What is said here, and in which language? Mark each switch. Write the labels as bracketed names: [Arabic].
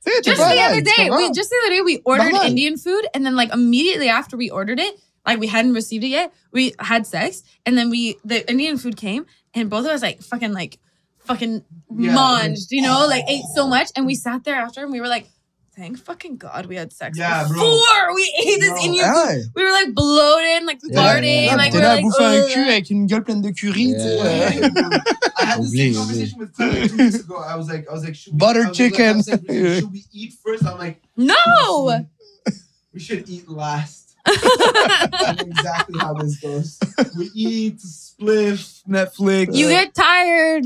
[English] Just the other day, we ordered Indian food, and then like immediately after we ordered it, like we hadn't received it yet, we had sex, and then the Indian food came, and both of us like fucking munched, you know, like ate so much, and we sat there after, and we were like, thank fucking God we had sex before we ate this Indian food. We were like bloated, and, like farting, like we were like, [French] bouffé un cul avec une gueule pleine de curry. [English] I had this conversation with Tyler 2 weeks ago. I was like, butter chicken. Should we eat first? I'm like, no. We should eat last. Exactly how this goes. We eat, spliff, Netflix. You get tired.